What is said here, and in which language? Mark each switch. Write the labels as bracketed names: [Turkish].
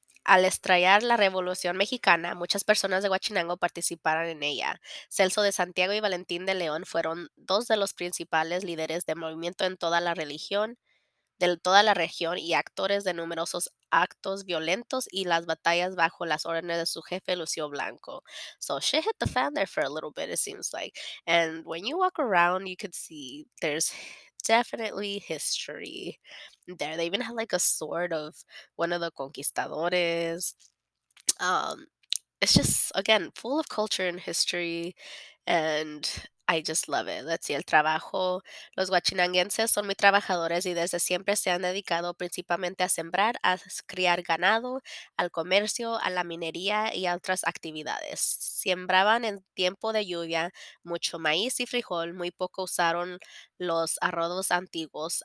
[Spanish] al estallar la Revolución Mexicana, muchas personas de Guachinango participaron en ella. Celso de Santiago y Valentín de León fueron dos de los principales líderes de movimiento en toda la región, de toda la región, y actores de numerosos actos violentos y las batallas bajo las órdenes de su jefe Lucio Blanco. [English] So shit hit the fan there for a little bit, it seems like. And when you walk around, you could see there's definitely history there. They even had like a sword of one of the conquistadores. It's just, again, full of culture and history, and I just love it. Let's see, [Spanish] el trabajo. Los guachinanguenses son muy trabajadores y desde siempre se han dedicado principalmente a sembrar, a criar ganado, al comercio, a la minería y a otras actividades. Siembraban en tiempo de lluvia mucho maíz y frijol, muy poco usaron los arrodos antiguos.